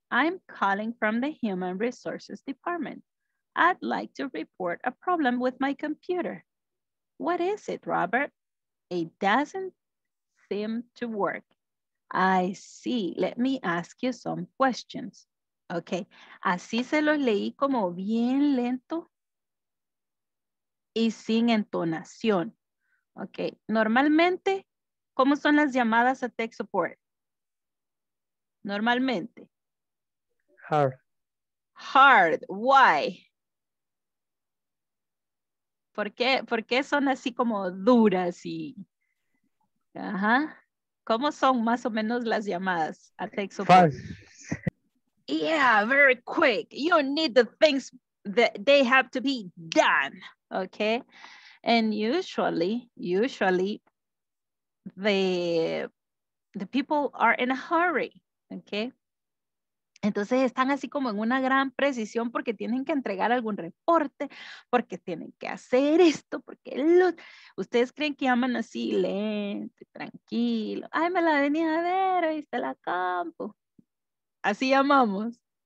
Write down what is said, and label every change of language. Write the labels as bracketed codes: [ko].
[en] I'm calling from the Human Resources Department. I'd like to report a problem with my computer. What is it, Robert? It doesn't seem to work. I see, let me ask you some questions. [es] Ok, así se los leí como bien lento y sin entonación. Ok, normalmente, ¿cómo son las llamadas a Tech Support? Normalmente. [en] Hard, why? [es] ¿Por qué son así como duras y? Ajá, ¿cómo son más o menos las llamadas a Tech Support? [en] Fast. Yeah, very quick. You need the things that they have to be done, okay? And usually the people are in a hurry, okay? [es] Entonces están así como en una gran precisión porque tienen que entregar algún reporte, porque tienen que hacer esto, porque ustedes creen que llaman así lento, tranquilo. Ay, me la venía a ver, ahí está la compu. Así llamamos.